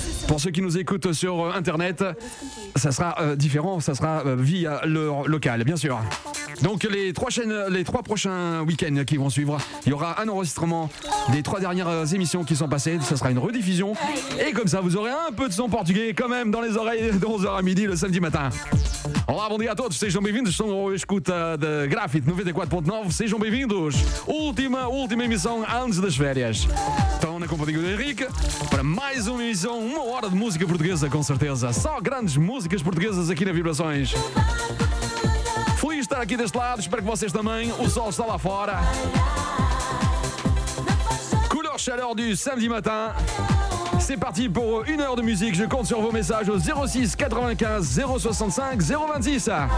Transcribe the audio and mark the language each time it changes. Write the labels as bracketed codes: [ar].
[fr] Pour ceux qui nous écoutent sur Internet, ça sera différent, ça sera via leur local, bien sûr. Donc les trois prochains week-ends qui vont suivre, il y aura un enregistrement des trois dernières émissions qui sont passées, ça sera une rediffusion. Et comme ça, vous aurez un peu de son portugais quand même dans les oreilles de 11h à midi le samedi matin. [pt] Olá, bom dia a todos, sejam bem-vindos, são o escuta de Graphite 94.9, sejam bem-vindos. Última emissão antes das férias. Estão na companhia do Henrique para mais uma emissão, uma hora de música portuguesa, com certeza. Só grandes músicas portuguesas aqui na Vibrações. Feliz de estar aqui deste lado, espero que vocês também. O sol está lá fora. [fr] Couleur chaleur du samedi matin. C'est parti pour une heure de musique. Je compte sur vos messages au 06 95 065 026.